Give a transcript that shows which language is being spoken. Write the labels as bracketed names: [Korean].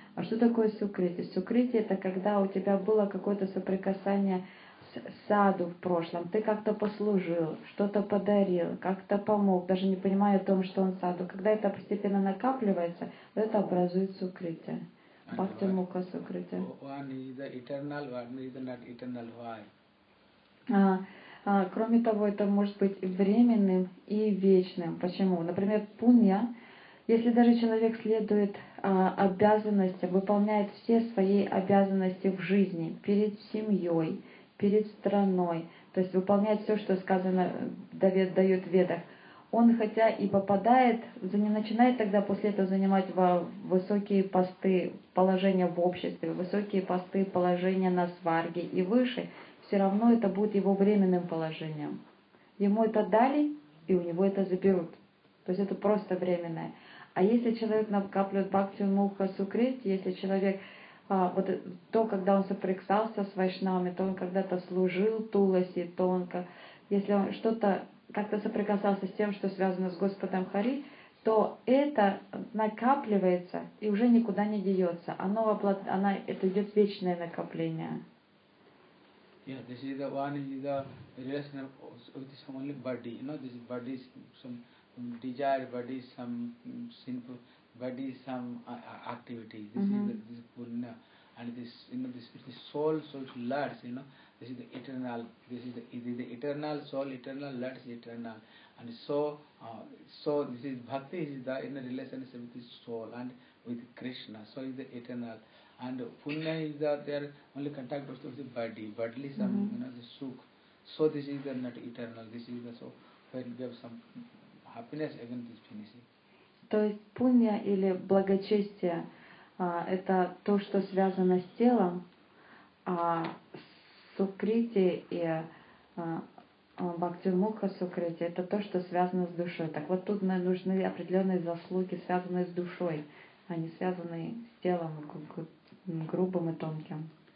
[Russian] А что такое сукрити? Сукрити – это когда у тебя было какое-то соприкасание с саду в прошлом. Ты как-то послужил, что-то подарил, как-то помог, даже не понимая о том, что он саду. Когда это постепенно накапливается, это образует сукрити. Бхакти мукха сукрити. [English] One is the eternal, one is the not eternal. Why? [Russian] Кроме того, это может быть временным и вечным. Почему? Например, пунья. Если даже человек следует обязанностям, выполняет все свои обязанности в жизни, перед семьей, перед страной, то есть выполняет все, что сказано, дает в ведах, он хотя и попадает, начинает тогда после этого занимать высокие посты, положения в обществе, высокие посты, положения на сварге и выше, все равно это будет его временным положением. Ему это дали, и у него это заберут. То есть это просто временное. А если человек накапливает бхакти мукха сукрити, если человек, вот то, когда он соприкасался с вайшнавами, то он когда-то служил Туласи, то он, если он что-то как-то соприкасался с тем, что связано с Господом Хари, то это накапливается и уже никуда не деется. Это идет вечное накопление. [English] Yeah, this is the one is the relationship with some only body. You know, this body is some desire, body is some sinful, body is some activity. This mm-hmm. is punya, and this soul lurks. You know, this is the eternal. This is the eternal soul, eternal lurks, eternal. And so this is bhakti is the in the relationship with this soul and with Krishna. So is the eternal. And punya is that they are only contact with the body, bodily some, mm-hmm. you know, the sukh. So this is the not eternal, this is the so, when we have some happiness, again this finishing. [Russian] То есть пунья или благочестие, это то, что связано с телом, а сукрити и бхактюрмуха сукрити, это то, что связано с душой. Так вот тут нужны определенные заслуги, связанные с душой, а не связанные с телом, грубым и тонким.